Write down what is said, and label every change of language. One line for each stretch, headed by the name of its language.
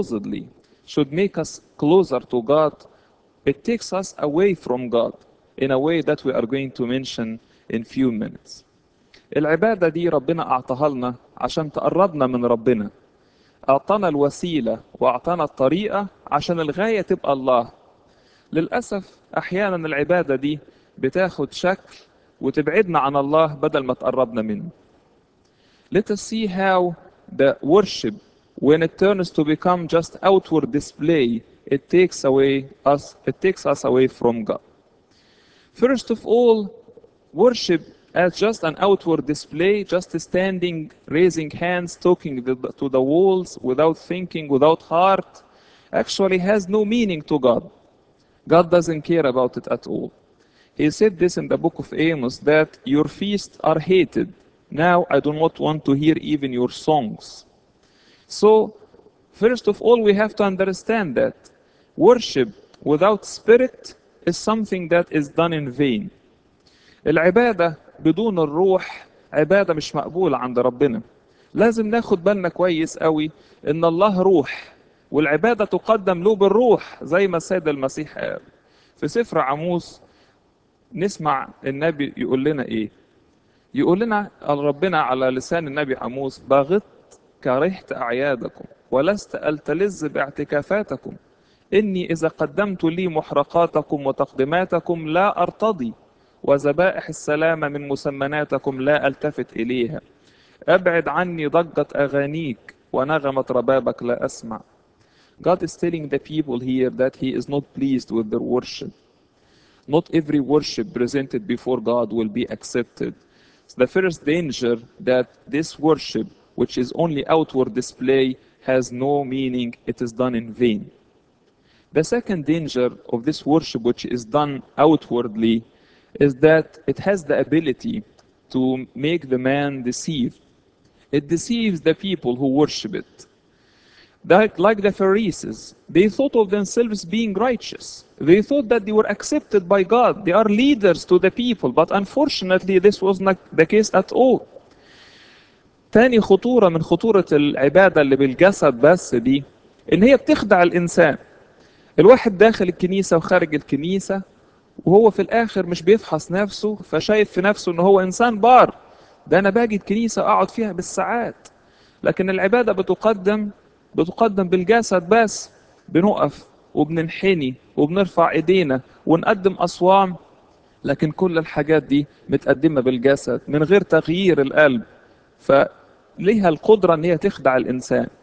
English: supposedly should make us closer to God, it takes us away from God in a way that we are going to mention in few minutes.
Arabic: العبادة دي ربنا أعطاها لنا عشان تقربنا من ربنا. أعطانا الوسيلة وأعطانا الطريقة عشان الغاية تبقى الله. للأسف أحيانا العبادة دي بتاخد شكل وتبعدنا عن الله بدل ما تقربنا منه.
English: Let us see how the worship, when it turns to become just outward display, it takes us away from God. First of all, worship as just an outward display, just standing, raising hands, talking to the walls, without thinking, without heart, actually has no meaning to God. God doesn't care about it at all. He said this in the book of Amos, that your feasts are hated. Now I do not want to hear even your songs. So, first of all, we have to understand that worship without spirit is something that is done in vain.
Arabic: العبادة بدون الروح عبادة مش مقبولة عند ربنا. لازم ناخد بالنا كويس قوي ان الله روح والعبادة تقدم له بالروح زي ما السيد المسيح قال. في سفر عاموس نسمع النبي يقول لنا ايه؟ يقول لنا ربنا على لسان النبي عاموس: بغضت كرهت اعيادكم ولست التلذ باعتكافاتكم، اني اذا قدمت لي محرقاتكم وتقدماتكم لا ارتضي، وذبائح السلام من مسمناتكم لا التفت اليها. ابعد عني ضجه اغانيك ونغمه ربابك لا اسمع.
English: God is telling the people here that he is not pleased with their worship. Not every worship presented before God will be accepted. So the first danger that this worship, which is only outward display, has no meaning, it is done in vain. The second danger of this worship, which is done outwardly, is that it has the ability to make the man deceive. It deceives the people who worship it. That, like the Pharisees, they thought of themselves being righteous. They thought that they were accepted by God. They are leaders to the people. But unfortunately, this was not the case at all.
Arabic: تاني خطورة من خطورة العبادة اللي بالجسد بس دي، إن هي بتخدع الإنسان. الواحد داخل الكنيسة وخارج الكنيسة، وهو في الآخر مش بيفحص نفسه، فشايف في نفسه إنه هو إنسان بار. ده أنا باجي الكنيسة أقعد فيها بالساعات. لكن العبادة بتقدم بالجسد بس، بنقف وبننحني وبنرفع ايدينا ونقدم اصوام، لكن كل الحاجات دي متقدمه بالجسد من غير تغيير القلب، فليها القدره ان هي تخدع الانسان.